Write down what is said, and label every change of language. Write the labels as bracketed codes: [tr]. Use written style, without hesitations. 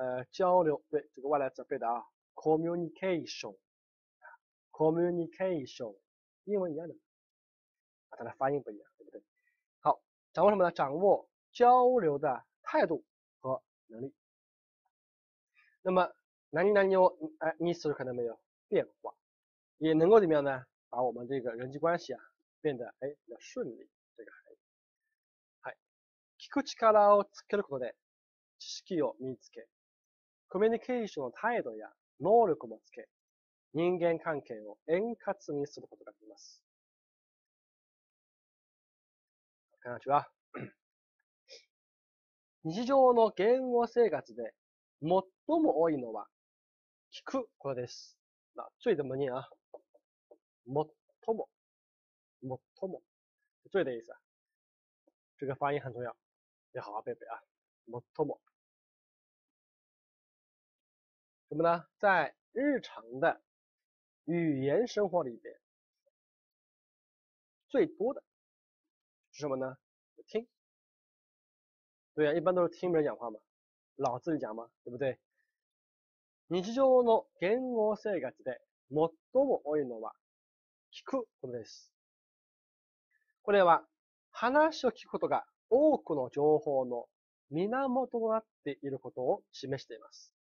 [zh] 交流，对，这个外来词背的啊，communication，communication，英文一样的，啊，它的发音不一样。掌握什么呢？掌握交流的态度和能力。那么，哪里哪里有哎，你是不是看到没有变化？也能够怎么样呢？把我们这个人际关系啊变得哎比较顺利。 [ja] 这个聞く力をつけることで知識を身につけ、コミュニケーションの態度や能力もつけ、人間関係を円滑にすることができます。 [zh] 看下去啊。 [ja] 日常の言語生活で最も多いのは聞くことです。 [zh] 那最怎么念啊？ [ja] 最も、最も， [zh] 最的意思啊。这个发音很重要，要好好背背啊。 [ja] 最も。 [zh] 什么呢？在日常的语言生活里边，最多的是什么呢？听。对啊，一般都是听别人讲话嘛，老自己讲嘛，对不对？ [ja] 日常の言語生活で最も多いのは聞くことです。これは話を聞くことが多くの情報の源となっていることを示しています。